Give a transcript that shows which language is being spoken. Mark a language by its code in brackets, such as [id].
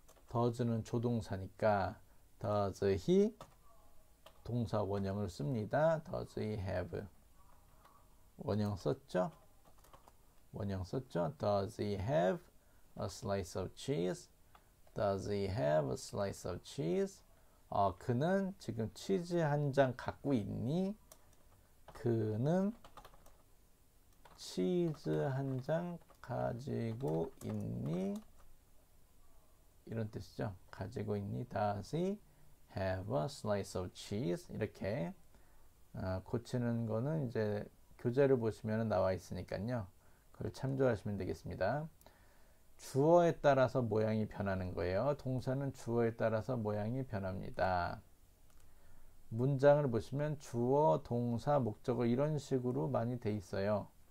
[ko] does는 조동사니까 [en] does he [ko] 동사 원형을 씁니다. [en] does he have [ko] 원형 썼죠? 원형 썼죠? [en] Does he have a slice of cheese? Does he have a slice of cheese? [ko] 그는 지금 치즈 한장 갖고 있니? 그는 치즈 한장 가지고 있니? 이런 뜻이죠. 가지고 있니? [en] Does he have a slice of cheese? [ko] 이렇게 고치는 거는 이제 교재를 보시면 나와 있으니까요. 그걸 참조하시면 되겠습니다. 주어에 따라서 모양이 변하는 거예요. 동사는 주어에 따라서 모양이 변합니다. 문장을 보시면 주어, 동사, 목적어 이런 식으로 많이 돼 있어요.